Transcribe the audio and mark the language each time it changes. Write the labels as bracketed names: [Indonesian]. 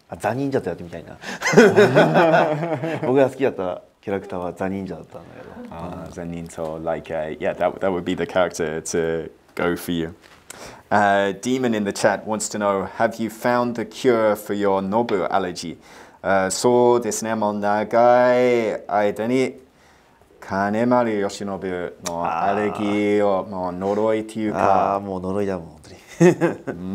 [Japanese] ザ忍者とやってみたいな。僕が好きだったキャラクターはザ忍者だったんだけど。 [English] ザ忍者、like yeah, that would be the character to go for you. Demon in the chat wants to know, have you found the cure for your Nobu allergy? [Japanese] そうですね、もう長い間に金丸義信のアレルギーをもう呪いというか、あもう呪いだもん本当に。